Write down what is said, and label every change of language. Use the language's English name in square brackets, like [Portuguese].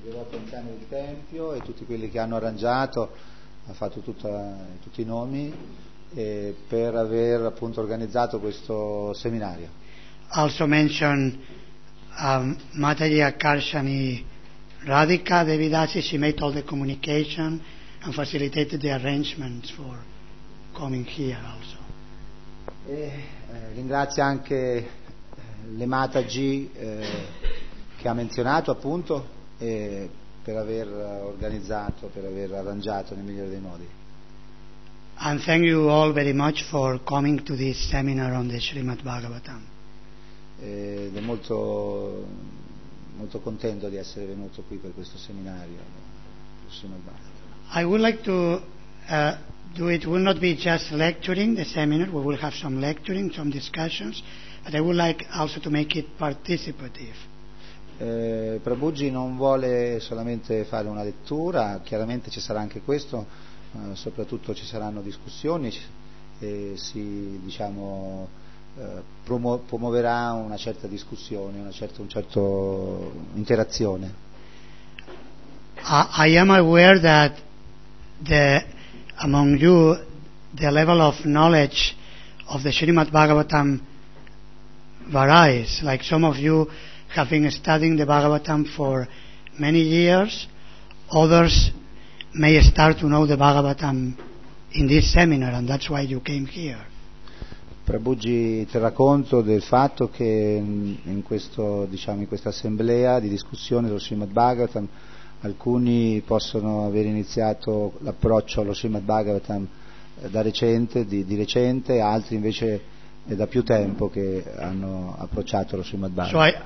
[Italian] Il tempio e tutti quelli che hanno arrangiato, ha fatto tutti i nomi e per aver appunto organizzato questo seminario. [English] Also mention Mataji Akarshani Radhika Devidasi, she made all the communication and facilitated the arrangements for coming here also. [Italian] Ringrazio anche le Mataji che ha menzionato appunto. E per aver organizzato, per aver arrangiato nel migliore dei modi. [English] And thank you all very much for coming to this seminar on the Srimad Bhagavatam. [Italian] Ed è molto molto contento di essere venuto qui per questo seminario sul Srimad Bhagavatam. [English] I would like to do it. Will not be just lecturing the seminar. We will have some lecturing, some discussions, but I would like also to make it participative. [Italian] Prabhuji non vuole solamente fare una lettura, chiaramente ci sarà anche questo, soprattutto ci saranno discussioni e si diciamo promuoverà una certa discussione, un certo interazione. [English] I am aware that among you the level of knowledge of the Srimad Bhagavatam varies, like some of you have been studying the Bhagavatam for many years, others may start to know the Bhagavatam in this seminar, and that's why you came here. [Italian] Prabhuji, ti racconto del fatto che in questo, diciamo, in questa assemblea di discussione dello Srimad Bhagavatam, alcuni possono aver iniziato l'approccio allo Srimad Bhagavatam di recente, altri invece è da più tempo che hanno approcciato lo Srimad Bhagavatam.